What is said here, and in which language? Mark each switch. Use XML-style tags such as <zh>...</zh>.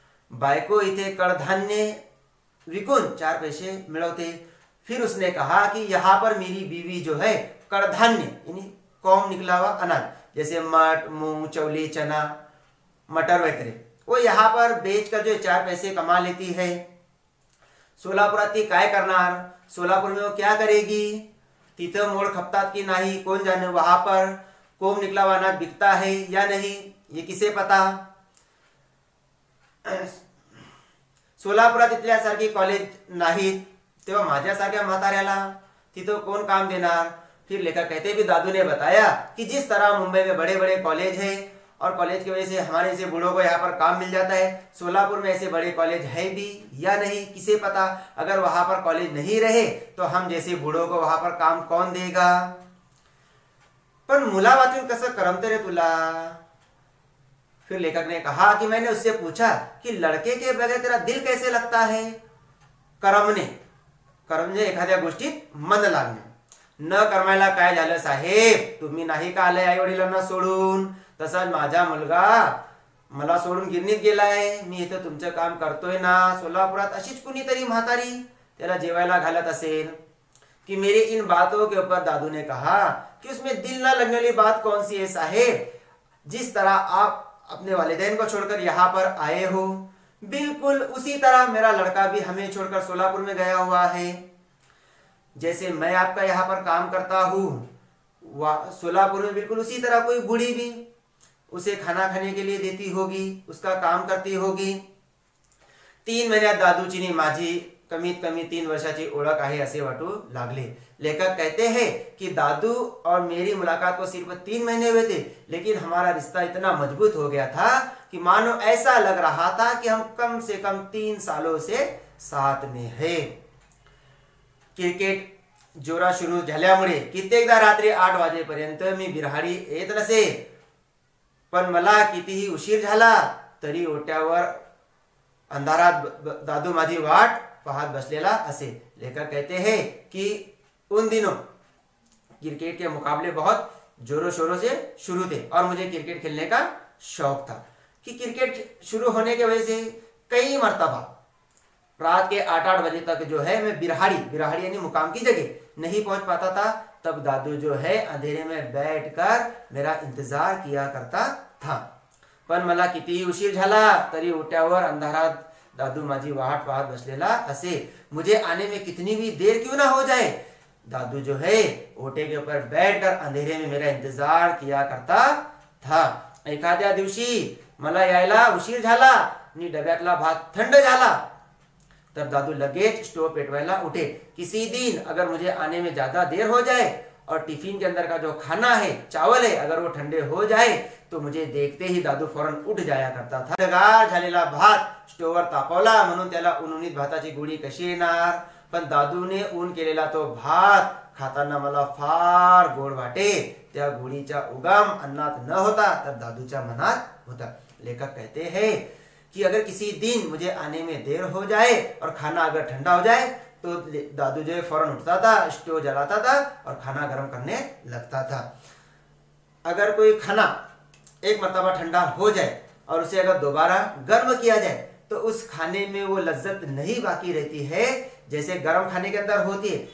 <mr>बायको इथे कड़धान्य विकून चार पैसे मिलवते.</mr> <hi>फिर उसने कहा कि यहाँ पर मेरी बीवी जो है कड़धान्य यानी कौम निकला हुआ अनाज जैसे मट मूंग चौली चना मटर वगैरह वो यहाँ पर बेचकर जो चार पैसे कमा लेती है.</hi> <mr>सोलापुर ती काय करणार,</mr> <hi>सोलापुर में वो क्या करेगी,</hi> <mr>तिथे मोड़ खपतात की नाही</mr> <hi>कौन जाने, वहां पर कोम निकला हुआ अनाज बिकता है या नहीं ये किसे पता.</hi> <mr>सोलापुरात इतल्या सारखी कॉलेज नाही तेव्हा माझ्या सारख्या म्हाताऱ्याला तिथे कोण काम देणार.</mr> <hi>फिर लेखक कहते भी दादू ने बताया कि जिस तरह मुंबई में बड़े बड़े कॉलेज है और कॉलेज की वजह से हमारे ऐसे बूढ़ों को यहाँ पर काम मिल जाता है सोलापुर में ऐसे बड़े कॉलेज है भी या नहीं किसे पता. अगर वहां पर कॉलेज नहीं रहे तो हम जैसे बूढ़ों को वहां पर काम कौन देगा.</hi> <mr>पर मुला वाचून कस करमते रे तुला.</mr> <hi>फिर लेखक ने कहा कि मैंने उससे पूछा कि लड़के के बगैर तेरा दिल कैसे लगता है.</hi> <mr>करमने, करमने एखाद्या गोष्टीत मन लागणे. न करमायला काय झालं साहेब, तुम्ही नाही का आले आई वडिलांना सोडून? तसा माझा मुलगा मला सोडून गिरणीत गेलाय, मी इथं तुमचं काम करतोय ना सोलापुरात, अशीच कुणीतरी म्हातारी त्याला जेवायला घालत असेल।</mr> <hi>कि मेरी इन बातों के ऊपर दादू ने कहा कि उसमें दिल ना लगने वाली बात कौन सी है साहेब, जिस तरह आप अपने वालिदैन को छोड़कर यहाँ पर आए हो, बिल्कुल उसी तरह मेरा लड़का भी हमें छोड़कर सोलापुर में गया हुआ है। जैसे मैं आपका यहाँ पर काम करता हूँ सोलापुर में, बिल्कुल उसी तरह कोई बूढ़ी भी उसे खाना खाने के लिए देती होगी, उसका काम करती होगी।</hi> <mr>3 महीने दादू चीनी माझी कमीत कमी 3 वर्षाची ओळख आहे असे वाटू लागले।</mr> <hi>लेखक कहते हैं कि दादू और मेरी मुलाकात को सिर्फ 3 महीने हुए थे, लेकिन हमारा रिश्ता इतना मजबूत हो गया था कि मानो ऐसा लग रहा था कि हम कम से कम 3 सालों से साथ में है।</hi> <mr>क्रिकेट जोरा शुरू झाल्यामुळे कित्येकदा रात्री 8 वाजेपर्यंत मी बिरहाडी येत नसे, पण मला कितीही उशीर झाला तरी ओट्यावर अंधारात दादू माझी वाट पाहत बसलेला असे।</mr> <hi>लेखक कहते हैं कि उन दिनों क्रिकेट के मुकाबले बहुत जोरों शोरों से शुरू थे और मुझे क्रिकेट खेलने का शौक था। कि क्रिकेट शुरू होने के वजह से कई मरतबा रात के 8-8 बजे तक जो है मैं बिरहाड़ी यानी मुकाम की जगह नहीं पहुंच पाता था, तब दादू जो है अंधेरे में बैठकर मेरा इंतजार किया करता था।</hi> <mr>पण मला कितीही उशीर झाला तरी उठ्यावर अंधारात दादू माझी वाट पाहत बसलेला असे।</mr> <hi>मुझे आने में कितनी भी देर क्यों ना हो जाए, दादू जो है ओटे के ऊपर बैठकर अंधेरे में मेरा इंतजार किया करता था।</hi> <mr>एखाद्या दिवशी मला यायला उशीर झाला, नी डब्यातला भात थंड झाला, तर दादू लगेच स्टोव पेटवायला उठे।</mr> <hi>किसी दिन अगर मुझे आने में ज्यादा देर हो जाए और टिफिन के अंदर का जो खाना है चावल है अगर वो ठंडे हो जाए तो मुझे देखते ही दादू फौरन उठ जाया करता था।</hi> <mr>गार झालेला भात स्टोवर तापवला म्हणून त्याला उन्हीत भाताची गोळी कशी येणार, पण दादूने ऊन केलेला तो भात खाताना मला फार गोड वाटे। त्या गोळीचा उगम अन्नात न होता तर दादूच्या मनात होता।</mr> <hi>लेखक कहते है कि अगर किसी दिन मुझे आने में देर हो जाए और खाना अगर ठंडा हो जाए तो दादू जो है फौरन उठता था, स्टोव जलाता था और खाना गर्म करने लगता था। अगर कोई खाना एक मरतबा ठंडा हो जाए और उसे अगर दोबारा गर्म किया जाए तो उस खाने में वो लज्जत नहीं बाकी रहती है जैसे गर्म खाने के अंदर होती है।</hi>